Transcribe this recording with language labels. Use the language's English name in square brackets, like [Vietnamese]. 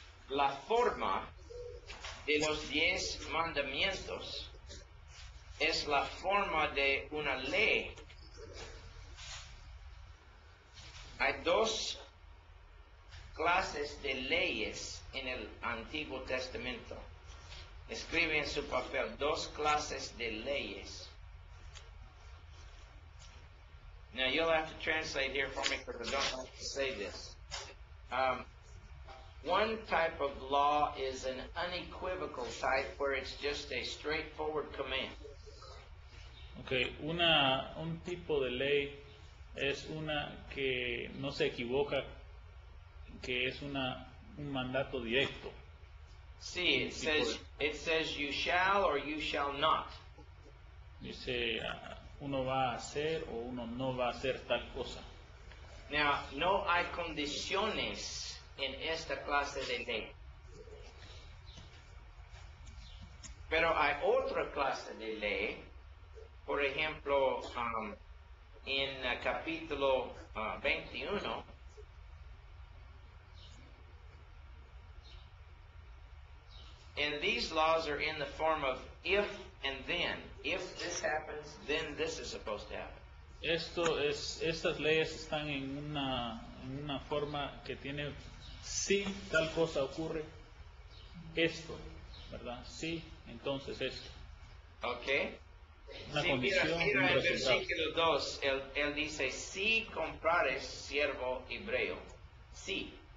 [Spanish] La forma de los 10 mandamientos es la forma de una ley. Hay dos clases de leyes en el Antiguo Testamento. Escribe en su papel dos clases de leyes. [English] Now you'll have to translate here for me because I don't like to say this. One type of law is an unequivocal type where it's just a straightforward command. [Spanish] Okay, un tipo de ley es una que no se equivoca, que es un mandato directo. [English] Sí, it says you shall or you shall not. [Spanish] Dice, uno va a hacer o uno no va a hacer tal cosa. Now, no hay condiciones en esta clase de ley. Pero hay otra clase de ley, por ejemplo, en capítulo 21, [English] and these laws are in the form of if and then. If this happens, then this is supposed to happen. [Spanish] Estas leyes están en una forma que tiene si tal cosa ocurre, esto, ¿verdad? Si, entonces esto. [English] Okay. [Spanish] Una condición, mira el versículo 2, él dice, si comprares siervo hebreo, si.